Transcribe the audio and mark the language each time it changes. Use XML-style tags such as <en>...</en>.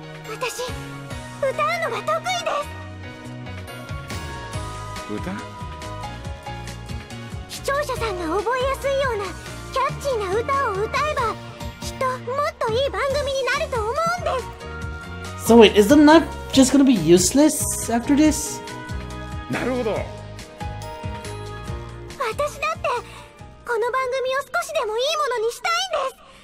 <ja>私、歌うのが得意です。視聴者さんが覚えやすいようなキャッチーな歌を歌えばきっともっといい番組になると思うんです。</ja> <en>So wait, is the nut just gonna be useless after this?</en> <ja>なるほど。私だってこの番組を少しでもいいものにしたいんです。</ja>